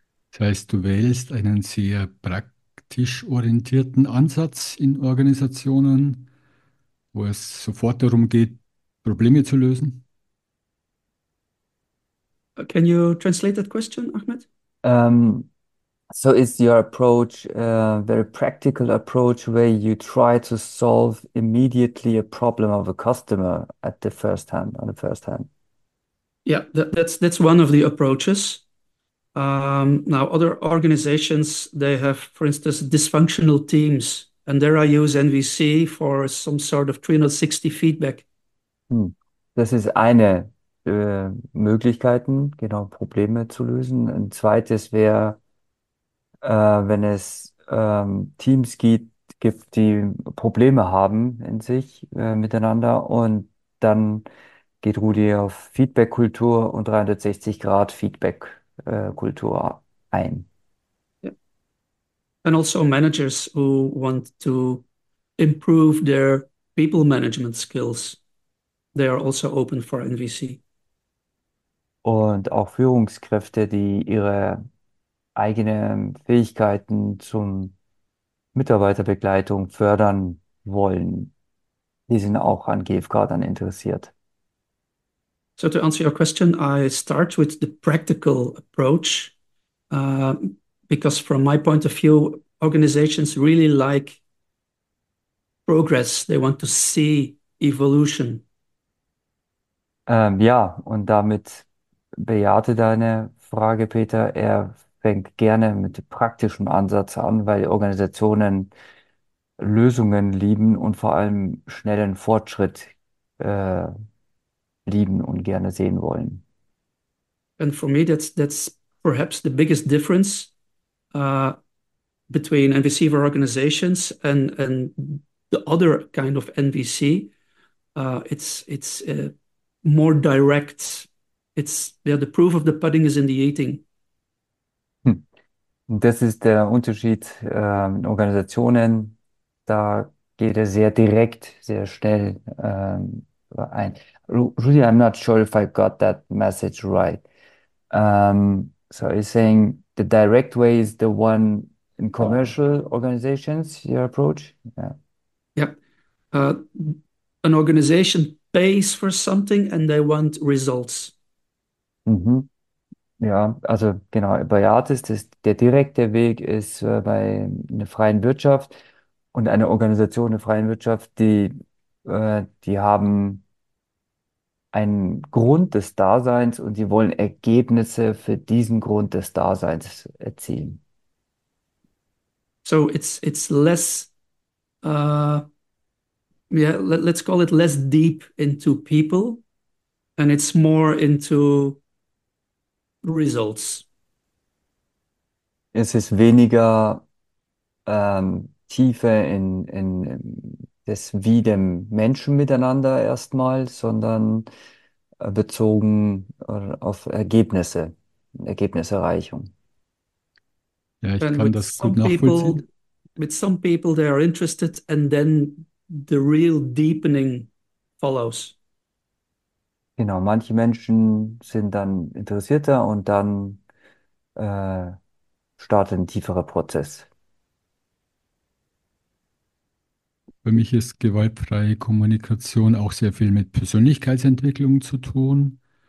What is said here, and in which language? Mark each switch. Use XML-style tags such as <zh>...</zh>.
<de>Das heißt, du wählst einen sehr praktisch orientierten Ansatz in Organisationen, wo es sofort darum geht, Probleme zu lösen.</de> <en>Can you translate that question, Ahmed? So is your approach a very practical approach where you try to solve immediately a problem of a customer at the first hand, on the first hand? Yeah, that's one of the approaches. Now, other organizations, they have, for instance, dysfunctional teams, and there I use NVC for some sort of 360 feedback.</en> <de>Das ist eine Möglichkeiten, genau, Probleme zu lösen. Ein zweites wäre, wenn es Teams gibt, die Probleme haben in sich miteinander, und dann geht Rudi auf Feedback-Kultur und 360-Grad-Feedback-Kultur ein.</de> <en>And also managers who want to improve their people management skills, they are also open for NVC.</en> <de>Und auch Führungskräfte, die ihre eigene Fähigkeiten zum Mitarbeiterbegleitung fördern wollen, die sind auch an GFK dann interessiert.</de> <en>So to answer your question, I start with the practical approach, because from my point of view, organizations really like progress. They want to see evolution.</en> <de>Ja, und damit bejahte deine Frage, Peter. Er fängt gerne mit praktischem Ansatz an, weil Organisationen Lösungen lieben und vor allem schnellen Fortschritt lieben und gerne sehen wollen.</de> <en>And for me, that's perhaps the biggest difference. between NVC organizations and the other kind of NVC. It's more direct. The proof of the pudding is in the eating.</en> <de>Das ist der Unterschied in Organisationen. Da geht es sehr direkt, sehr schnell ein.</de> <en>Really, I'm not sure if I got that message right. So he's saying the direct way is the one in commercial organizations, your approach? Yeah. An organization pays for something and they want results.</en> <de>Ja, also genau, bei Artis, der direkte Weg ist bei einer freien Wirtschaft und einer Organisation der freien Wirtschaft, die haben einen Grund des Daseins und die wollen Ergebnisse für diesen Grund des Daseins erzielen.</de> <en>So it's less let's call it less deep into people, and it's more into results.</en> <de>Es ist weniger Tiefe in das wie dem Menschen miteinander erstmal, sondern bezogen auf Ergebnisse, Ergebnisserreichung. Ja, ich</de> <en>And</en> <de>kann das gut nachvollziehen.</de> <en>with some people they are interested, and then the real deepening follows.</en> <de>Genau, manche Menschen sind dann interessierter und dann startet ein tieferer Prozess. Für mich ist gewaltfreie Kommunikation auch sehr viel mit Persönlichkeitsentwicklung zu tun.</de>